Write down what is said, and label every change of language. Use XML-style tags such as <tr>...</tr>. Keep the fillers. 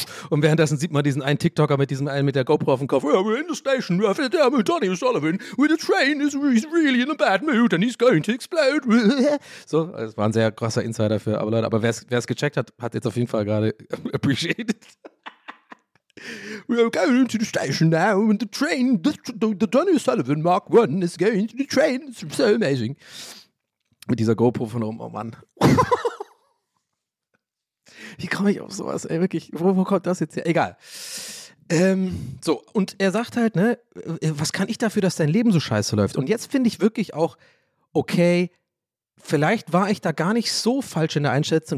<de>Und währenddessen sieht man diesen einen TikToker mit diesem einen mit der GoPro auf dem Kopf.</de> <en>Yeah, we're in the station. We're after damn Johnny O'Sullivan. With the train is he's really in a bad mood and he's going to explode.</en> <de>So, das war ein sehr krasser Insider für aber Leute. Aber wer es gecheckt hat, hat jetzt auf jeden Fall gerade appreciated.</de> <en>We're going to the station now and the train, the, the, the Johnny O'Sullivan Mark One is going to the train. It's so amazing.</en> <de>Mit dieser GoPro von oben, oh Mann. Wie komme ich auf sowas, ey, wirklich? Wo, wo kommt das jetzt her? Egal. Ähm, so, und er sagt halt, ne, äh, was kann ich dafür, dass dein Leben so scheiße läuft? Und jetzt finde ich wirklich auch, okay, vielleicht war ich da gar nicht so falsch in der Einschätzung.</de>